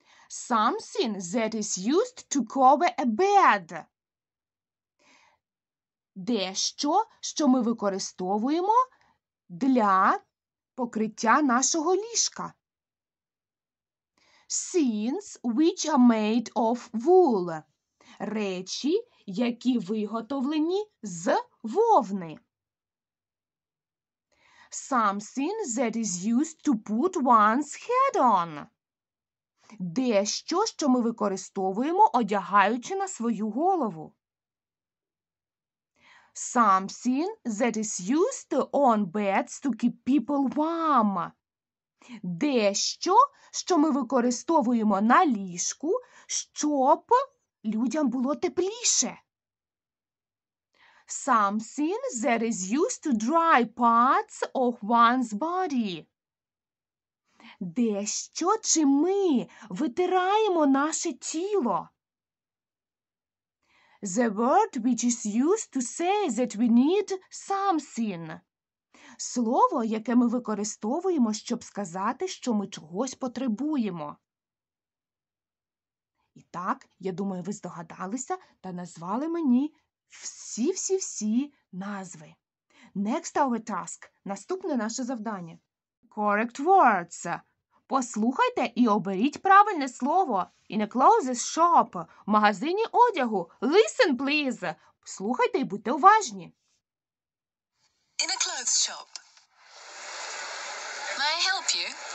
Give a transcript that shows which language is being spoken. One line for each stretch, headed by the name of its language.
English: Something that is used to cover a bed.
Ukrainian: Дещо, що ми використовуємо для покриття нашого ліжка.
English: Things which are made of wool.
Ukrainian: Речі, які виготовлені з вовни.
English: Something that is used to put one's head on.
Ukrainian: Дещо, що ми використовуємо, одягаючи на свою голову.
English: Something that is used on beds to keep people warm.
Ukrainian: Дещо, що ми використовуємо на ліжку, щоб людям було тепліше.
English: Something that is used to dry parts of one's body.
Ukrainian: Дещо, чи ми витираємо наше тіло.
English: The word which is used to say that we need something.
Ukrainian: Слово, яке ми використовуємо, щоб сказати, що ми чогось потребуємо. І так, я думаю, ви здогадалися та назвали мені всі-всі-всі назви.
English: Next our task.
Ukrainian: Наступне наше завдання.
English: Correct words.
Ukrainian: Послухайте і оберіть правильне слово.
English: In a clothes shop.
Ukrainian: В магазині одягу.
English: Listen, please.
Ukrainian: Слухайте і будьте уважні.
English: In a clothes shop. May I help you?